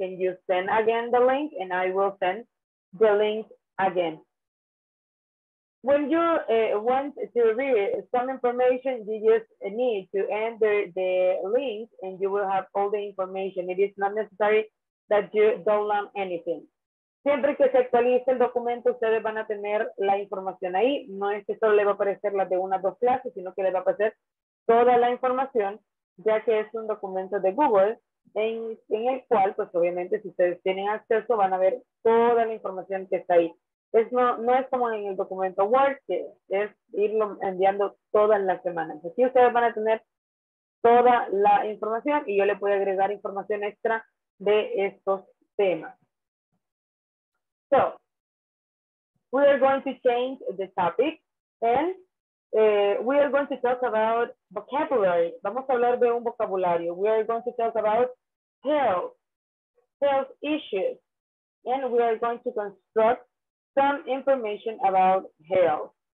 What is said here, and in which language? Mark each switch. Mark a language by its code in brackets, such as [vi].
[en] Can you send again the link? And I will send the link again. When you want to read some information, you just need to enter the link and you will have all the information. It is not necessary that you download anything. [es] Siempre que se actualice el documento, ustedes van a tener la información ahí. No es que solo le va a aparecer las de una o dos clases, sino que le va a aparecer toda la información, ya que es un documento de Google, en el cual, pues obviamente, si ustedes tienen acceso, van a ver toda la información que está ahí. Es no es como en el documento Word, que es irlo enviando todas las semanas. Aquí ustedes van a tener toda la información y yo le puedo agregar información extra de estos temas. [en] So, we are going to change the topic and we are going to talk about vocabulary. [es] Vamos a hablar de un vocabulario. [en] We are going to talk about health issues. And we are going to construct some information about health.